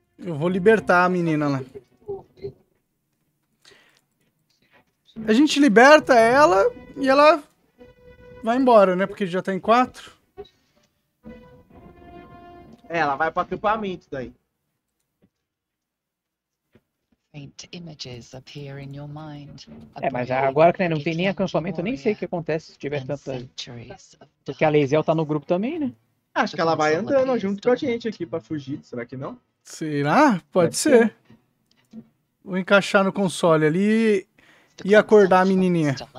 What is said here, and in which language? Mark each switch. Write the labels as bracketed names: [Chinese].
[Portuguese] Eu vou libertar a menina lá. A gente liberta ela e ela vai embora, né? Porque já tá em 4. É, ela vai pro acampamento daí. [English] Faint images appear in your mind. [Portuguese] É, mas agora que, né, não tem nem acampamento, nem sei o que acontece se tiver tanta. Porque a Leisel tá no grupo também, né? Acho que ela vai andando junto com a gente aqui pra fugir, será que não? Será? Pode ser. Vou encaixar no console ali e acordar a menininha.